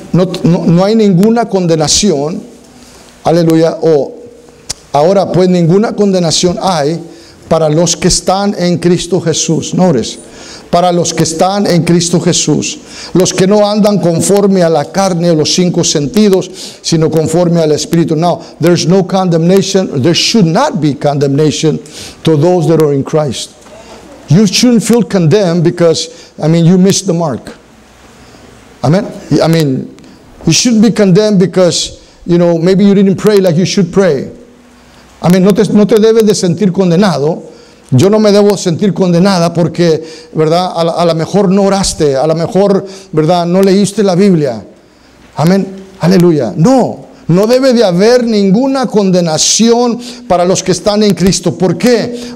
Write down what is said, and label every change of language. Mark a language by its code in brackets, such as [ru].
[es] No hay ninguna condenación. Aleluya. Ahora pues ninguna condenación hay para los que están en Cristo Jesús. [en] Notice, [es] para los que están en Cristo Jesús, los que no andan conforme a la carne o los cinco sentidos, sino conforme al Espíritu. [en] Now, there's no condemnation, there should not be condemnation to those that are in Christ. You shouldn't feel condemned because, I mean, you missed the mark. Amen? I mean, you shouldn't be condemned because, you know, maybe you didn't pray like you should pray. I mean, [es] no te debes de sentir condenado. Yo no me debo sentir condenada porque, ¿verdad? A lo mejor no oraste, a lo mejor, ¿verdad? No leíste la Biblia. Amén. Aleluya. No debe de haber ninguna condenación para los que están en Cristo. ¿Por qué?